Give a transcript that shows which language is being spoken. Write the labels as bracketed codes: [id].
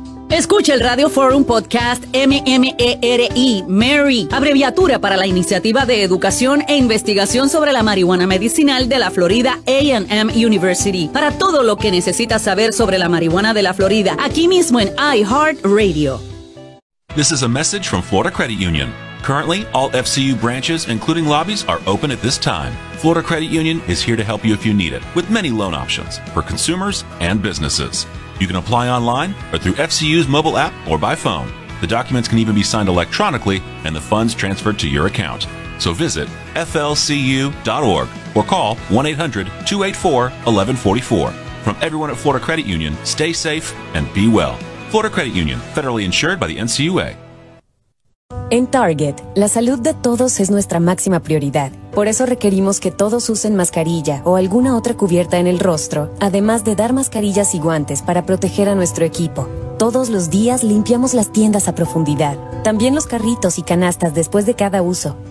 [es] Escucha el Radio Forum Podcast MMERI, MERI, abreviatura para la Iniciativa de Educación e Investigación sobre la Marihuana Medicinal de la Florida A&M University. Para todo lo que necesitas saber sobre la marihuana de la Florida, aquí mismo en iHeartRadio. [en] This is a message from Florida Credit Union. Currently, all FCU branches, including lobbies, are open at this time. Florida Credit Union is here to help you if you need it, with many loan options for consumers and businesses. You can apply online or through FCU's mobile app or by phone. The documents can even be signed electronically and the funds transferred to your account. So visit flcu.org or call 1-800-284-1144. From everyone at Florida Credit Union, stay safe and be well. Florida Credit Union, federally insured by the NCUA. [es] En Target, la salud de todos es nuestra máxima prioridad. Por eso requerimos que todos usen mascarilla o alguna otra cubierta en el rostro, además de dar mascarillas y guantes para proteger a nuestro equipo. Todos los días limpiamos las tiendas a profundidad, también los carritos y canastas después de cada uso.